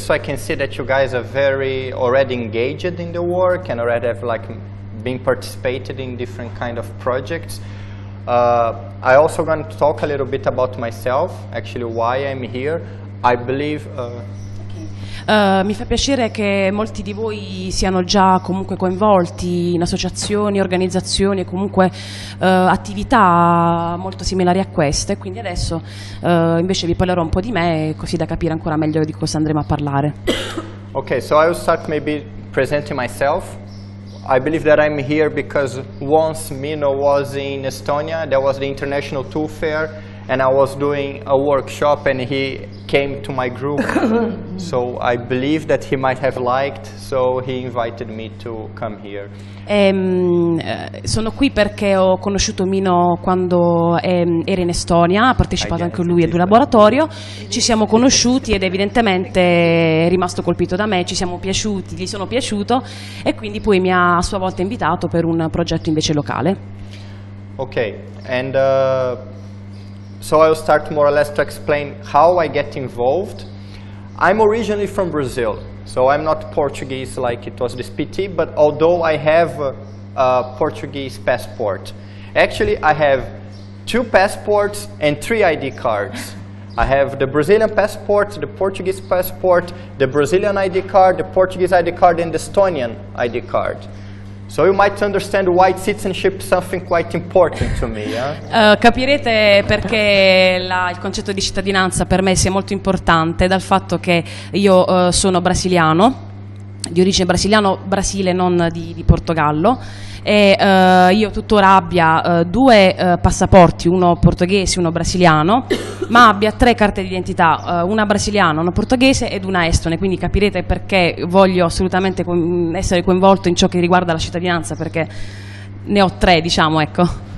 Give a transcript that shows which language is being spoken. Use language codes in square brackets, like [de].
[en] So I can see that you guys are very already engaged in the work and already have like been participated in different kind of projects. I also going to talk a little bit about myself, actually why I'm here. I believe [it] Mi fa piacere che molti di voi siano già comunque coinvolti in associazioni, organizzazioni e comunque attività molto similari a queste, quindi adesso invece vi parlerò un po' di me, così da capire ancora meglio di cosa andremo a parlare. [en] Ok, so I will start maybe presenting myself. I believe that I'm here because once Mino was in Estonia, there was the International Tool Fair, and I was doing a workshop and he came to my group. So I believe that he might have liked, so he invited me to come here. [it] Sono qui perché ho conosciuto Mino quando era in Estonia, ha partecipato anche lui al laboratorio, ci siamo conosciuti ed evidentemente è rimasto colpito da me, ci siamo piaciuti, gli sono piaciuto e quindi poi mi ha a sua volta invitato per un progetto invece locale. [en] Ok, and so I'll start more or less to explain how I get involved. I'm originally from Brazil, so I'm not Portuguese like it was this PT, but although I have a Portuguese passport. Actually, I have two passports and three ID cards. I have the Brazilian passport, the Portuguese passport, the Brazilian ID card, the Portuguese ID card, and the Estonian ID card. So you might understand why citizenship is something quite important to me. [it] Capirete perché il concetto di cittadinanza per me sia molto importante dal fatto che io sono brasiliano, di origine brasiliano, Brasile, non di Portogallo. E io tuttora abbia due passaporti, uno portoghese e uno brasiliano, ma abbia tre carte d'identità, una brasiliana, una portoghese ed una estone, quindi capirete perché voglio assolutamente essere coinvolto in ciò che riguarda la cittadinanza, perché ne ho tre, diciamo, ecco.